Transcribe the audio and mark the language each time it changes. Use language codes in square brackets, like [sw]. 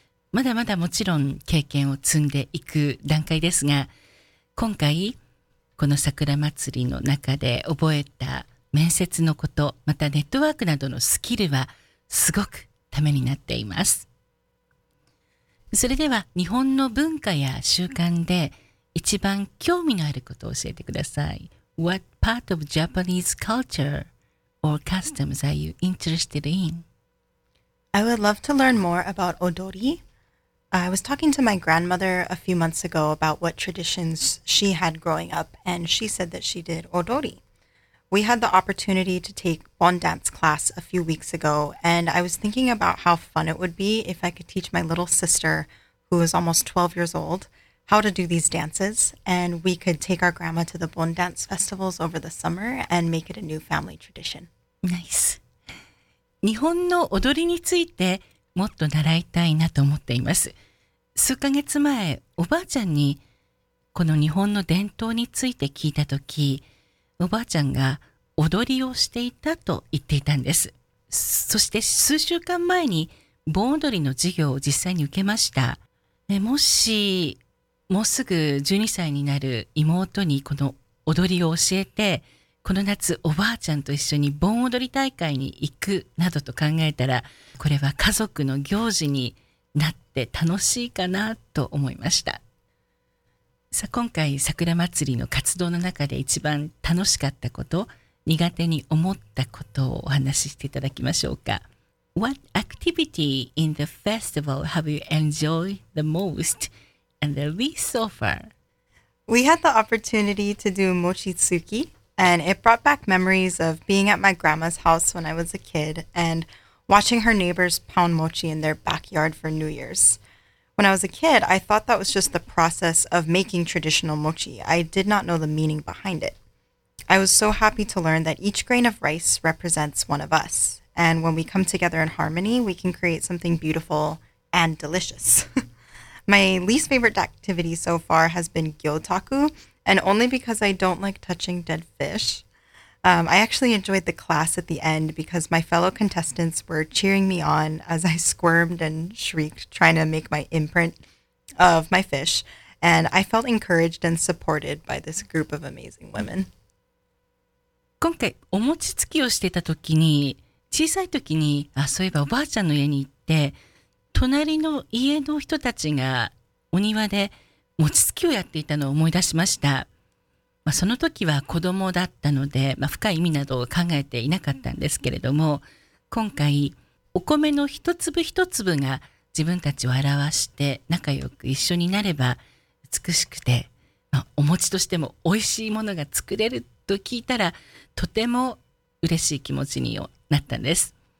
[ja] まだまだもちろん経験を積んでいく段階ですが、今回この桜祭りの中で覚えた面接のこと、またネットワークなどのスキルはすごくためになっています。それでは日本の文化や習慣で一番興味のあることを教えてください。 [en] What part of Japanese culture or customs are you interested in? I would love to learn more about odori. I was talking to my grandmother a few months ago about what traditions she had growing up, and she said that she did odori. We had the opportunity to take bon dance class a few weeks ago, and I was thinking about how fun it would be if I could teach my little sister, who is almost 12 years old, how to do these dances, and we could take our grandma to the bon dance festivals over the summer and make it a new family tradition. Nice. [ja] 日本の踊りについてもっと習いたいなと思っています。数ヶ月前、おばあちゃんにこの日本の伝統について聞いたとき、おばあちゃんが踊りをしていたと言っていたんです。そして数週間前に盆踊りの授業を実際に受けました。もしもうすぐ12歳になる妹にこの踊りを教えて、この夏おばあちゃんと一緒に盆踊り大会に行くなどと考えたら、これは家族の行事になって楽しいかなと思いました。さあ今回桜祭りの活動の中で一番楽しかったこと、苦手に思ったことをお話ししていただきましょうか。 [en] What activity in the festival have you enjoyed the most and the least so far? We had the opportunity to do mochitsuki. And it brought back memories of being at my grandma's house when I was a kid and watching her neighbors pound mochi in their backyard for New Year's. When I was a kid, I thought that was just the process of making traditional mochi. I did not know the meaning behind it. I was so happy to learn that each grain of rice represents one of us. And when we come together in harmony, we can create something beautiful and delicious. My least favorite activity so far has been gyotaku,And only because I don't like touching dead fish. I actually enjoyed the class at the end because my fellow contestants were cheering me on as I squirmed and shrieked trying to make my imprint of my fish. And I felt encouraged and supported by this group of amazing women. [ja] 今回お餅つきをしてた時に、小さい時に、あ、そういえばおばあちゃんの家に行って、隣の家の人たちがお庭で餅つきをやっていたのを思い出しました。まあ、その時は子供だったので、まあ、深い意味などを考えていなかったんですけれども、今回お米の一粒一粒が自分たちを表して仲良く一緒になれば美しくて、まあ、お餅としても美味しいものが作れると聞いたらとても嬉しい気持ちになったんです。